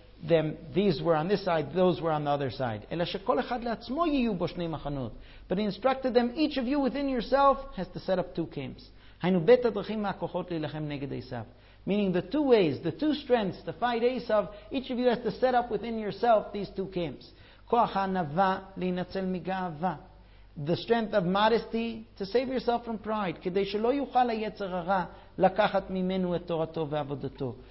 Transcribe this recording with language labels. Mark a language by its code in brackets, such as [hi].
[en] them, these were on this side, those were on the other side. [he] אלא שכל אחד לעצמו יהיו בו שני מחנות. [en] But he instructed them, each of you within yourself has to set up two camps. [he] היינו בית הדרכים מהכוחות להילחם נגד עשיו. [en] Meaning the two ways, the two strengths to fight Esav, each of you has to set up within yourself these two camps. [he] כוח הענווה להינצל מגאווה. [en] The strength of modesty to save yourself from pride. [he] כדי שלא יוכל היצר הרע לקחת ממנו את תורתו ועבודתו.